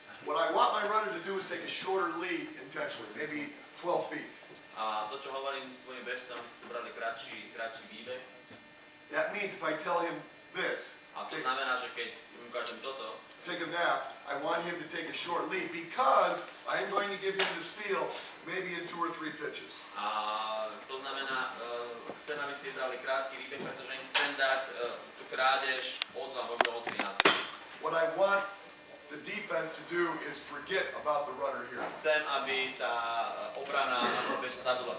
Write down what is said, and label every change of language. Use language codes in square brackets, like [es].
[en] What I want my runner to do is take a shorter lead intentionally, maybe 12 feet. [sk] A to, čo hovorím svojim bežcom, aby si zobrali kratší výbeh. [en] That means if I tell him this, [sk] a to znamená, že keď ukážem toto, [en] take a nap, I want him to take a short lead because I am going to give him the steal maybe in two or three pitches. [sk] A to znamená, chcem, aby si zobrali krátky výbeh, pretože im chcem dať tú krádež o dva, možno o tri. [en] What I want the defense to do is forget about the runner here. [sk] Chcem, aby tá obrana na prvej sa zabudla.